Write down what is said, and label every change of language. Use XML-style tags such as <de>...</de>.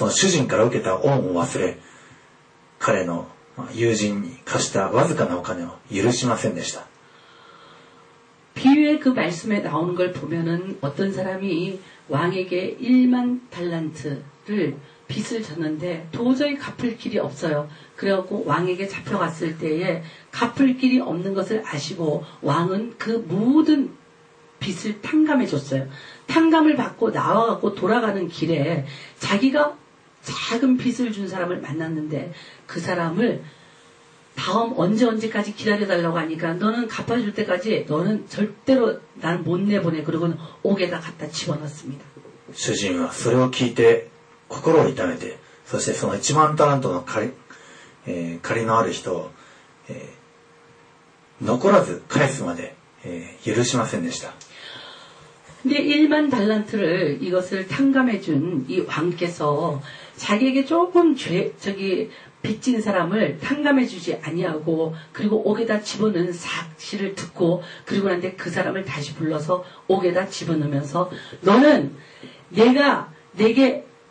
<ja>例え話である人1万タラントの借りがある人、その人に対してその借金を全部許してやりましたが、しかしその人はその主人から受けた恩を忘れ 彼の 友人に貸したわずかなお金を許しませんでした.</ja> <ko>비유의 그 말씀에 나오는 걸 보면은 어떤 사람이 왕에게 1만 달란트를 빚을 졌는데 도저히 갚을 길이 없어요. 그래갖고 왕에게 잡혀갔을 때에 갚을 길이 없는 것을 아시고 왕은 그 모든 빚을 탕감해 줬어요. 탕감을 받고 나와갖고 돌아가는 길에 자기가 작은 빚을 준 사람을 만났는데 그 사람을 다음 언제 언제까지 기다려달라고 하니까 너는 갚아줄 때까지 너는 절대로 나를 못 내보내 그러고는 옥에다 갖다 집어넣습니다.</ko> <ja>主人はそれを聞いて心を痛めて、そしてその1万タラントの借りのある人を、残らず返すまで、許しませんでした。</ja> <ko>で、1万タラント를이것을탕감해준이왕께서자기에게조금죄저기빚진사람을탕감해주지아니하고그리고옥에다집어넣은사실을듣고그리고난데그사람을다시불러서옥에다집어넣으면서너는내가내게</ko>